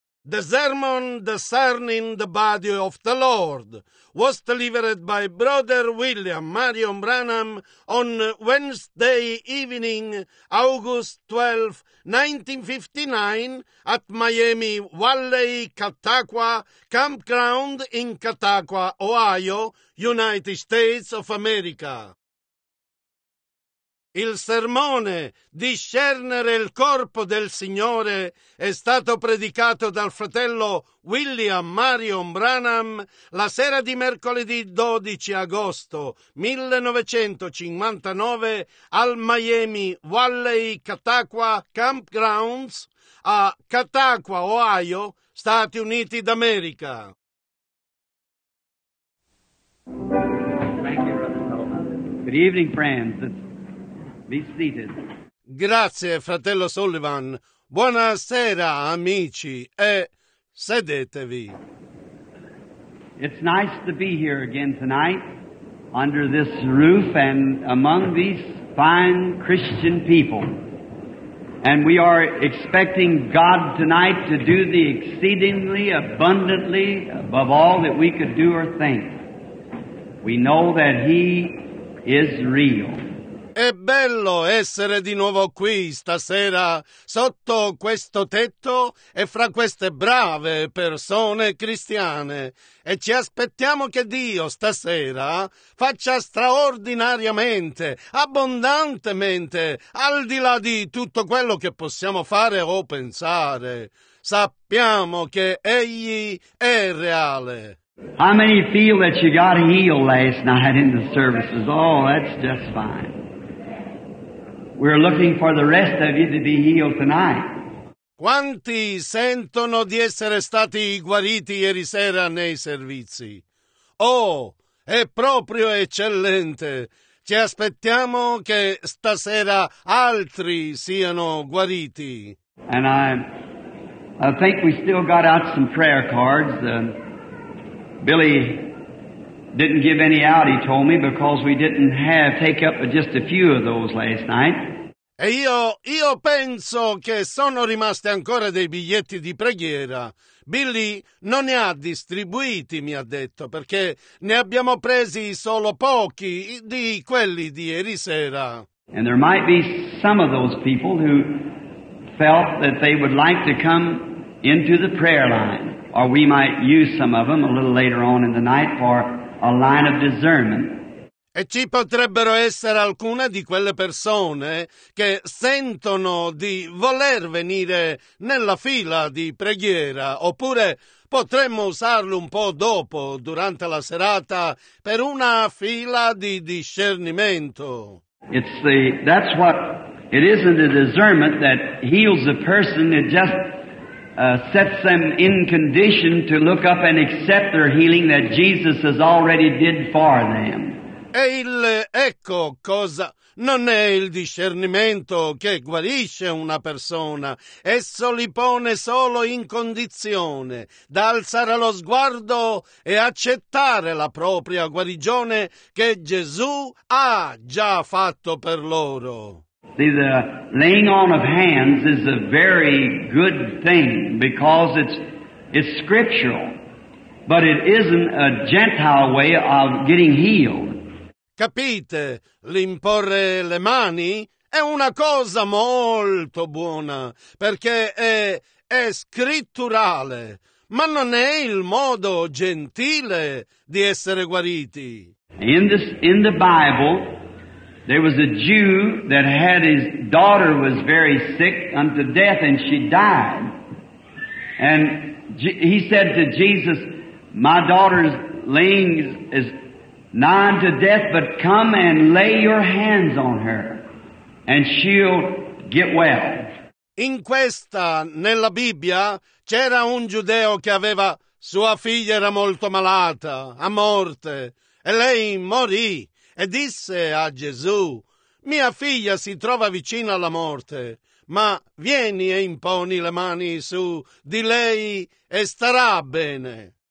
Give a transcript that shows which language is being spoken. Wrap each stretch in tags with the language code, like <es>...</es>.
<en>The sermon discerning the body of the Lord was delivered by Brother William Marion Branham on Wednesday evening, August 12, 1959, at Miami Valley Catawba Campground in Catawba, Ohio, United States of America.</en> <it>Il sermone Discernere il corpo del Signore è stato predicato dal fratello William Marion Branham la sera di mercoledì 12 agosto 1959 al Miami Valley Catawba Campgrounds a Catawba, Ohio, Stati Uniti d'America.</it> <en>Thank you, Brother Sullivan. Good evening, friends. Be seated.</en> <it>Grazie, fratello Sullivan. Buonasera, amici, e sedetevi.</it> <en>It's nice to be here again tonight under this roof and among these fine Christian people. And we are expecting God tonight to do the exceedingly abundantly above all that we could do or think. We know that He is real.</en> <it>È bello essere di nuovo qui stasera sotto questo tetto e fra queste brave persone cristiane e ci aspettiamo che Dio stasera faccia straordinariamente, abbondantemente, al di là di tutto quello che possiamo fare o pensare. Sappiamo che Egli è reale.</it> <en>How many feel that you got healed last night in the services? Oh, that's just fine. We're looking for the rest of you to be healed tonight.</en> <it>Quanti sentono di essere stati guariti ieri sera nei servizi? Oh, è proprio eccellente. Ci aspettiamo che stasera altri siano guariti.</it> <en>And I think we still got out some prayer cards. Billy didn't give any out, he told me, because we didn't have take up just a few of those last night.</en> <it>E io penso che sono rimaste ancora dei biglietti di preghiera. Billy non ne ha distribuiti, mi ha detto, perché ne abbiamo presi solo pochi di quelli di ieri sera.</it> <en>And there might be some of those people who felt that they would like to come into the prayer line, or we might use some of them a little later on in the night for a line of discernment.</en> <it>E ci potrebbero essere alcune di quelle persone che sentono di voler venire nella fila di preghiera, oppure potremmo usarlo un po' dopo, durante la serata, per una fila di discernimento.</it> <en>That's what it is in the discernment that heals a person. It just sets them in condition to look up and accept their healing that Jesus has already did for them.</en> <it>E il ecco cosa non è il discernimento che guarisce una persona, esso li pone solo in condizione da alzare lo sguardo e accettare la propria guarigione che Gesù ha già fatto per loro.</it> <en>See, the laying on of hands is a very good thing because it's scriptural, but it isn't a Gentile way of getting healed.</en> <it>Capite, l'imporre le mani è una cosa molto buona, perché è scritturale, ma non è il modo gentile di essere guariti.</it> <en>In the Bible, there was a Jew that had his daughter was very sick unto death, and she died. And he said to Jesus, my daughter's laying is nigh unto death, but come and lay your hands on her, and she'll get well.</en> <it>In questa, nella Bibbia, c'era un giudeo che aveva sua figlia era molto malata, a morte, e lei morì, e disse a Gesù, mia figlia si trova vicina alla morte, ma vieni e imponi le mani su di lei e starà bene.</it>